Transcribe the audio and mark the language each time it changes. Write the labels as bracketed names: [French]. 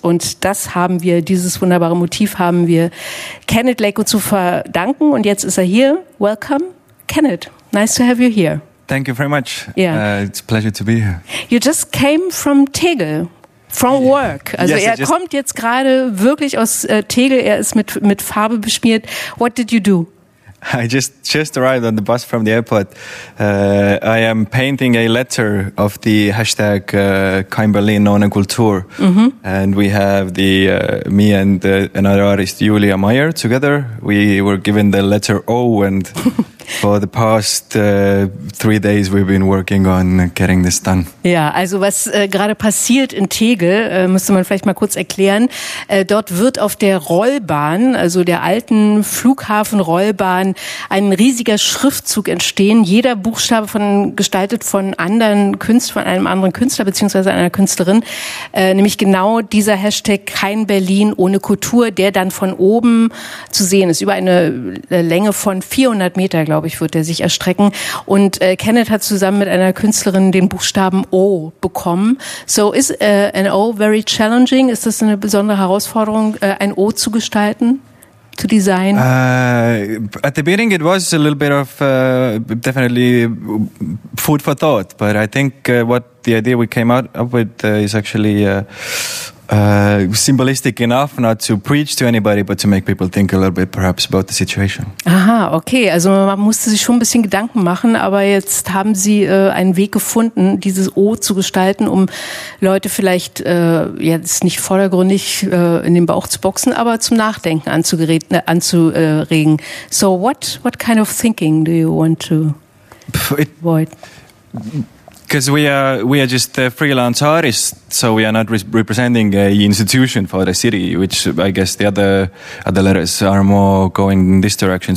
[German] Und das haben wir, dieses wunderbare Motiv haben wir Kenneth Lekko zu verdanken. Und jetzt ist er hier. [English] Welcome, Kenneth. Nice to have you here. Thank you very much. Yeah. It's a pleasure to be here. You just came from Tegel. From work. [German] Also yes, er kommt jetzt gerade wirklich aus Tegel. Er ist mit Farbe beschmiert. [English] What did you do? I just arrived on the bus from the airport. I am painting a letter of the hashtag Kein Berlin ohne Kultur. Mm-hmm. And we have the me and another artist, Julia Meyer, together. We were given the letter O, and for the past 3 days we've been working on getting this done. [German] Ja, also was gerade passiert in Tegel, müsste man vielleicht mal kurz erklären. Dort wird auf der Rollbahn, also der alten Flughafen-Rollbahn, ein riesiger Schriftzug entstehen. Jeder Buchstabe gestaltet von anderen Künstlern, von einem anderen Künstler beziehungsweise einer Künstlerin. Nämlich genau dieser Hashtag Kein Berlin ohne Kultur, der dann von oben zu sehen ist. Über eine Länge von 400 Meter, glaube ich, wird der sich erstrecken. Und Kenneth hat zusammen mit einer Künstlerin den Buchstaben O bekommen. [English] So, is an O very challenging? [German] Ist das eine besondere Herausforderung, ein O zu gestalten? [English] To design? At the beginning it was a little bit of definitely food for thought, but I think what the idea we came up with is actually symbolistic enough not to preach to anybody, but to make people think a little bit perhaps about the situation. [German] Aha, okay, also man musste sich schon ein bisschen Gedanken machen, aber jetzt haben sie einen Weg gefunden, dieses O zu gestalten, um Leute vielleicht jetzt nicht vordergründig in den Bauch zu boxen, aber zum Nachdenken anzuregen. [English] So what kind of thinking do you want to avoid? Because we are just freelance artists, so we are not representing a institution for the city, which I guess the other letters are more going in this direction.